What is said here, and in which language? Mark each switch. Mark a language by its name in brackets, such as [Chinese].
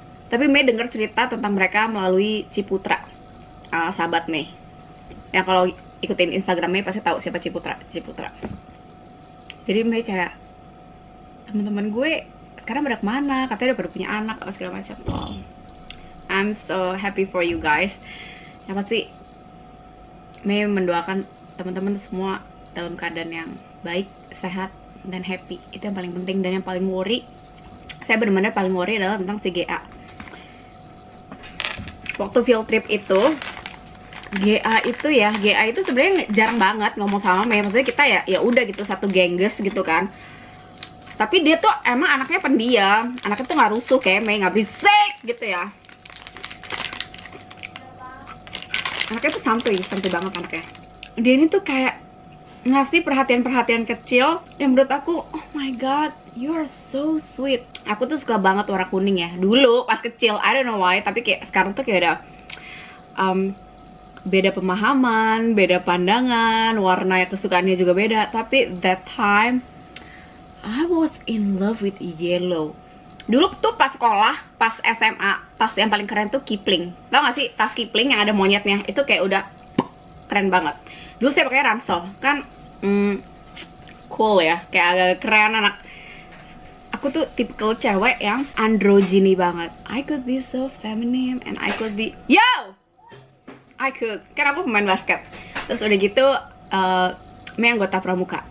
[Indonesian] Tapi Mei dengar cerita tentang mereka melalui Ciputra, sahabat Mei. Yang kalau ikutin Instagram Mei pasti tahu siapa Ciputra. Jadi Mei kayak, teman-teman gue sekarang berada kemana, katanya udah pada punya anak apa segala macam. [English] Oh, I'm so happy for you guys. [Indonesian] Ya pasti Mei mendoakan teman-teman semua dalam keadaan yang baik, sehat, dan happy. Itu yang paling penting. Dan yang paling worry, saya benar-benar paling worry adalah tentang si GA. Waktu field trip itu, GA itu sebenarnya jarang banget ngomong sama Mei. Maksudnya kita ya udah gitu, satu gengges gitu kan. Tapi dia tuh emang anaknya pendiam, anaknya tuh gak rusuh kayak Mei, gak berisik gitu ya. Anaknya tuh santuy, santuy banget anaknya. Dia ini tuh kayak ngasih perhatian-perhatian kecil yang menurut aku, [English] oh my god, you are so sweet. [Indonesian] Aku tuh suka banget warna kuning ya, dulu pas kecil, [English] I don't know why, [Indonesian] tapi kayak sekarang tuh kayak ada beda pemahaman, beda pandangan, warna kesukaannya juga beda. Tapi [English] that time I was in love with yellow. [Indonesian] Dulu tuh pas sekolah, pas SMA, tas yang paling keren tuh Kipling. Tau gak sih, tas Kipling yang ada monyetnya itu kayak udah keren banget. Dulu saya pakai ransel, kan cool ya, kayak agak keren anak. Aku tuh typical cewek yang androgyny banget. [English] I could be so feminine and I could be, yo! I could, [Indonesian] kan aku pemain basket. Terus udah gitu, Mei anggota pramuka.